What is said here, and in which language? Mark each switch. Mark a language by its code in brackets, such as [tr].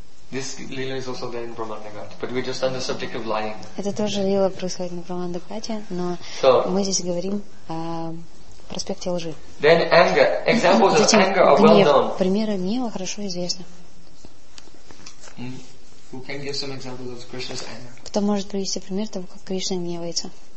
[en] This lila is also there in Brahmanda Gata, but we're just on the subject of lying. [ru] Это тоже лила происходит на Брахманда Гате, но мы здесь говорим о проспекте лжи. [en] Then anger. Examples of anger are well known. [ru] Примеры гнева хорошо известны. [en] Who can give some examples of Krishna's anger? [ru] Кто может привести пример того, как Кришна гневается?